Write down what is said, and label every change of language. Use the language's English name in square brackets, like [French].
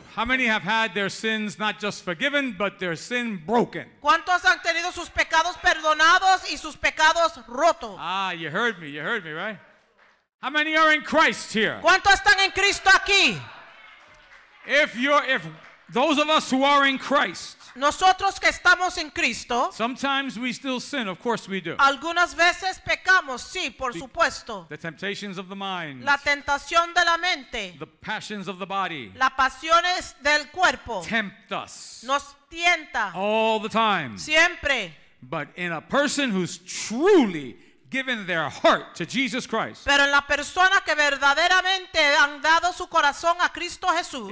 [English] How many have had their sins not just forgiven, but their sin broken? [Spanish] ¿Cuántos han tenido sus pecados perdonados y sus pecados rotos? [English] Ah, you heard me. You heard me, right? How many are in Christ here? [Spanish] ¿Cuántos están en Cristo aquí? [English] If those of us who are in Christ. [Spanish] Nosotros que estamos en Cristo. [English] Sometimes we still sin, of course we do. [Spanish] Algunas veces pecamos, sí, por supuesto. [English] The temptations of the mind. [Spanish] La tentación de la mente. [English] The passions of the body. [Spanish] Las pasiones del cuerpo. [English] Tempt us. [Spanish] Nos tienta. [English] All the time. [Spanish] Siempre. [English] But in a person who's truly given their heart to Jesus Christ. [Spanish] Pero en la persona que verdaderamente han dado su corazón a Cristo Jesús.